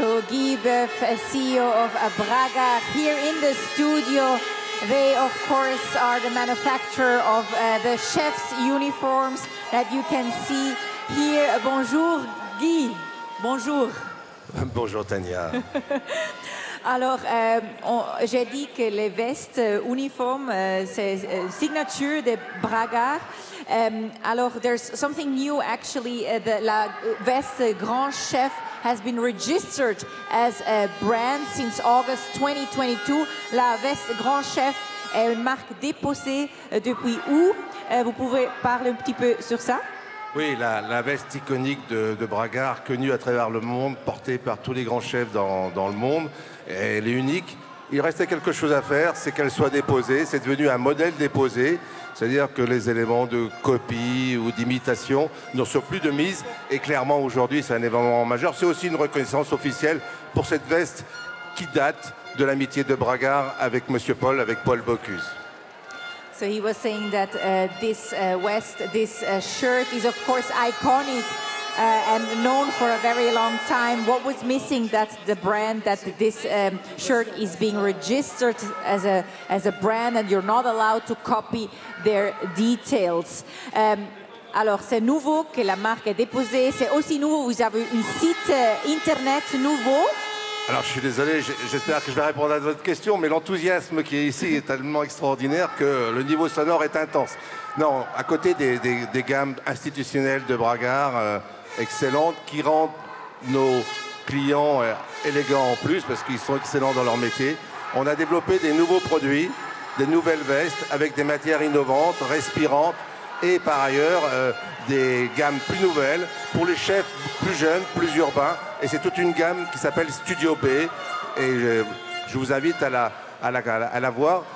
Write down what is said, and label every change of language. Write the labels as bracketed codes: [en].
[en] CEO of Bragard here in the studio. They, of course, are the manufacturer of the chef's uniforms that you can see here. [fr] Bonjour, Guy. Bonjour. Bonjour, Tanya. Alors, j'ai dit que les vestes uniformes, c'est signature de Bragard. [en] Alors, there's something new, actually. La veste Grand Chef has been registered as a brand since August 2022. [fr] La veste Grand Chef est une marque déposée depuis août. Vous pouvez parler un petit peu sur ça? Oui, la veste iconique de Bragard, connue à travers le monde, portée par tous les grands chefs dans le monde, elle est unique. Il restait quelque chose à faire, c'est qu'elle soit déposée. C'est devenu un modèle déposé. C'est-à-dire que les éléments de copie ou d'imitation ne sont plus de mise. Et clairement, aujourd'hui, c'est un événement majeur. C'est aussi une reconnaissance officielle pour cette veste qui date de l'amitié de Bragard avec Monsieur Paul, avec Paul Bocuse. [en] So he was saying that this vest, this shirt is of course iconic and known for a very long time. What was missing that the brand that this shirt is being registered as a brand, and you're not allowed to copy their details. [fr] Alors, c'est nouveau que la marque est déposée. C'est aussi nouveau, vous avez un site internet nouveau. Alors, je suis désolé, j'espère que je vais répondre à votre question, mais l'enthousiasme qui est ici est tellement extraordinaire que le niveau sonore est intense. Non, à côté des gammes institutionnelles de Bragard, excellentes, qui rendent nos clients élégants en plus, parce qu'ils sont excellents dans leur métier, on a développé des nouveaux produits, des nouvelles vestes, avec des matières innovantes, respirantes, et par ailleurs, des gammes plus nouvelles, pour les chefs plus jeunes, plus urbains, et c'est toute une gamme qui s'appelle Studio B, et je vous invite à la voir.